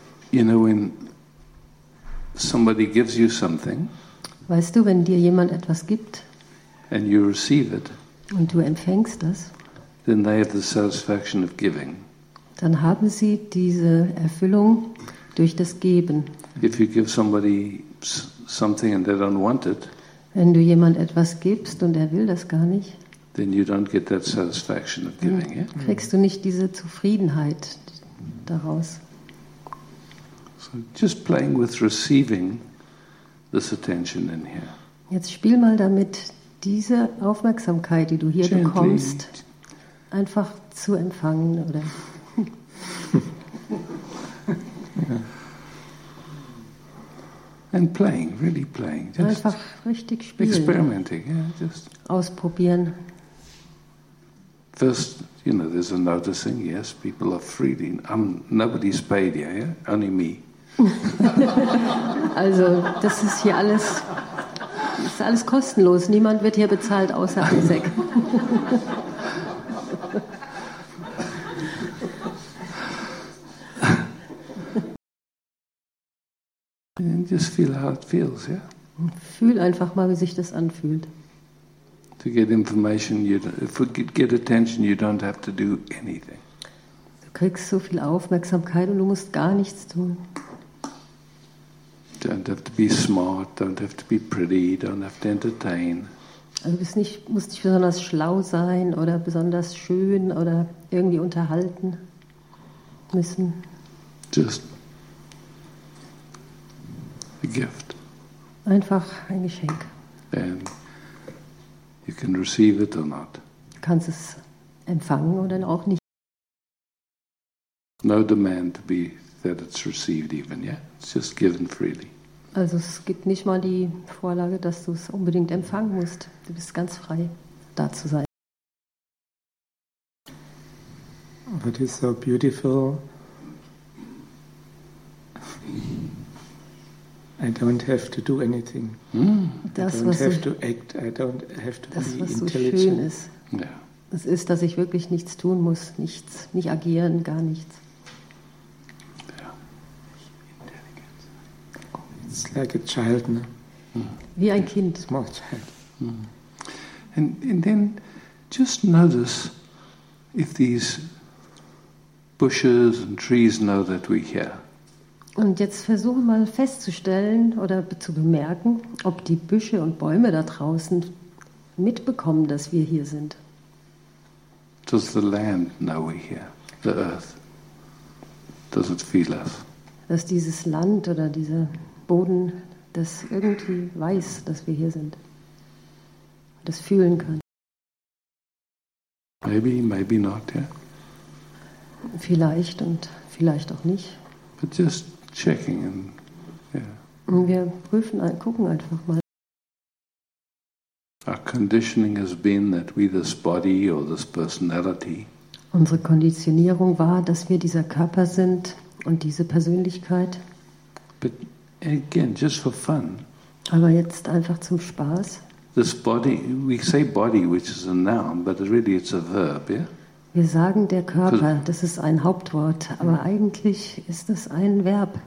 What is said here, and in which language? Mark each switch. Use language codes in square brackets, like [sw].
[en] You know, when somebody gives you something, [de] weißt du, wenn dir jemand etwas gibt, [en] and you receive it, [de] und du empfängst das, [en] then they have the satisfaction of giving. [de] Dann haben sie diese Erfüllung durch das Geben. [en] If you give somebody something and they don't want it, [de] wenn du jemand etwas gibst und er will das gar nicht, [en] then you don't get that satisfaction of giving, yeah? [de] Kriegst du nicht diese Zufriedenheit daraus. [en] Just playing with receiving this attention in here. [de] Jetzt spiel mal damit, diese Aufmerksamkeit, die du hier [en] gently [de] bekommst, einfach zu empfangen, oder? [en] Yeah. And playing, really playing. [de] Just einfach richtig spielen. [en] Experimenting, yeah, just [de] ausprobieren. [en] First, you know, there's a noticing. Yes, people are freely. Nobody's paid here. Yeah? Only me. [de] Also, das ist hier alles, das ist alles kostenlos. Niemand wird hier bezahlt außer Isaac. [en] And just feel how it feels, yeah? [de] Fühl einfach mal, wie sich das anfühlt. [en] To get information, get attention, you don't have to do anything. [de] Du kriegst so viel Aufmerksamkeit und du musst gar nichts tun. [en] Don't have to be smart, don't have to be pretty, don't have to entertain. [de] Also musst nicht besonders schlau sein oder besonders schön oder irgendwie unterhalten müssen. [en] Just a gift. [de] Einfach ein Geschenk. [en] And you can receive it or not. [de] Du kannst es empfangen oder auch nicht. [en] No demand to be that it's received even, yeah? It's just given freely. [de] Also es gibt nicht mal die Vorlage, dass du es unbedingt empfangen musst. Du bist ganz frei, da zu sein. [en] It is so beautiful. I don't have to do anything. [de] Das, [en] I don't have [de] so, [en] to act. I don't have to [de] das, [en] be [de] was [en] intelligent. [de] So schön ist, das ist, dass ich wirklich nichts tun muss. Nichts, nicht agieren, gar nichts. [en] It's like a child, no? [de] Wie ein Kind. [en] Small child. And then just notice if these bushes and trees know that we're here. [de] Und jetzt versuche mal festzustellen oder zu bemerken, ob die Büsche und Bäume da draußen mitbekommen, dass wir hier sind. [en] Does the land know we're here? The earth? Does it feel us? [de] Dass dieses Land oder dieser Boden, das irgendwie weiß, dass wir hier sind. Das fühlen kann. [en] Maybe, maybe not, yeah. [de] Vielleicht und vielleicht auch nicht. [en] But just checking and, yeah. [de] Und wir prüfen, gucken einfach mal. [en] Our conditioning has been that we this body or this personality. [de] Unsere Konditionierung war, dass wir dieser Körper sind und diese Persönlichkeit. [en] But again, just for fun. [de] Aber jetzt einfach zum Spaß. [en] This body, we say body, which is a noun, but really it's a verb, yeah? [de] Wir sagen der Körper, das ist ein Hauptwort, aber eigentlich ist es ein Verb.